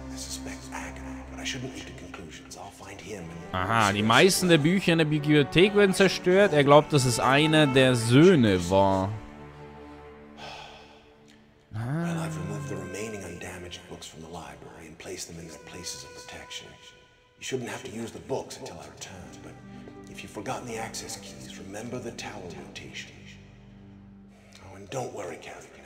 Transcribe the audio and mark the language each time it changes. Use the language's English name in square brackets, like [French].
[English] I suspect Agnew, but I shouldn't leap to conclusions. I'll find him and... [German] Aha, die meisten der Bücher in der Bibliothek werden zerstört. Er glaubt, dass es einer der Söhne war. [English] Well, I've removed the remaining undamaged books from the library and placed them in their places of protection. You shouldn't have to use the books until I return, but if you've forgotten the access keys, remember the tower notation. Don't worry, Catherine.